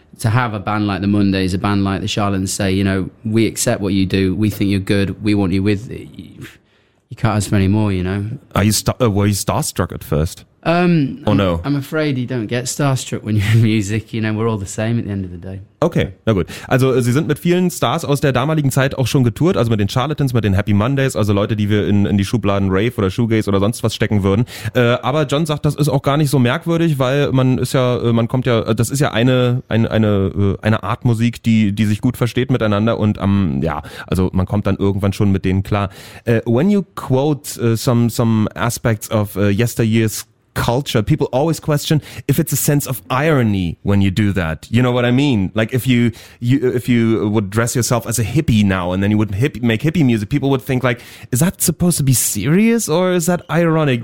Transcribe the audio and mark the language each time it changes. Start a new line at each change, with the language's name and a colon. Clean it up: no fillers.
English: to have a band like the Mondays, a band like the Charlatans say, you know, we accept what you do, we think you're good, we want you with it. You can't ask for any more, you know. Are you were you starstruck at first? No? I'm afraid you don't get starstruck when you're in music. You know, we're all the same at the end of the day.
German: Okay, na gut. Also, Sie sind mit vielen Stars aus der damaligen Zeit auch schon getourt, also mit den Charlatans, mit den Happy Mondays, also Leute, die wir in die Schubladen Rave oder Shoegaze oder sonst was stecken würden. Aber John sagt, das ist auch gar nicht so merkwürdig, weil man ist ja, man kommt ja, das ist ja eine Art Musik, die sich gut versteht miteinander und also man kommt dann irgendwann schon mit denen klar.
English: When you quote some aspects of yesteryear's culture, people always question if it's a sense of irony when you do that. You know what I mean? Like if you would dress yourself as a hippie now and then you would make hippie music, people would think like, is that supposed to be serious or is that ironic?